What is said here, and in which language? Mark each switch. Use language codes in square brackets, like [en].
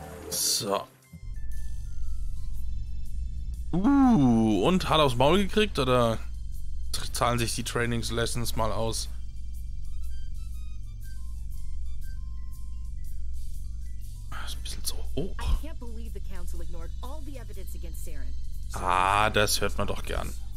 [de] So. Und hat aufs Maul gekriegt oder zahlen sich die Trainingslessons mal aus? Das ist ein bisschen zu hoch. [en] I can't believe the council ignored all the evidence against Saren. [de] Ah, das hört man doch gern.